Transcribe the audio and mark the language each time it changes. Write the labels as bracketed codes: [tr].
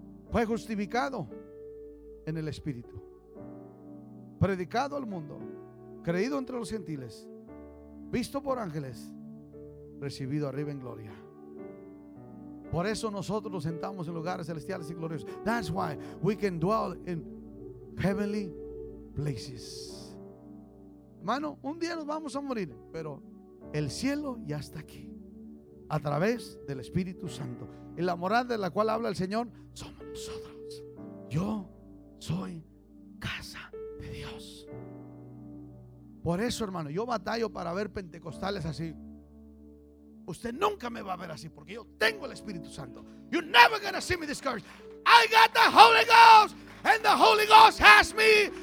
[es] Fue justificado en el Espíritu. Predicado al mundo. Creído entre los gentiles. Visto por ángeles. Recibido arriba en gloria. Por eso nosotros nos sentamos en lugares celestiales y gloriosos. [en] That's why we can dwell in heavenly places. [es] Hermano, un día nos vamos a morir, pero el cielo ya está aquí. a través del Espíritu Santo. En la morada de la cual habla el Señor somos nosotros. Yo soy casa de Dios. Por eso, hermano, yo batallo para ver pentecostales así. Usted nunca me va a ver así, porque yo tengo el Espíritu Santo. [en] You're never gonna see me discouraged. I got the Holy Ghost, and the Holy Ghost has me.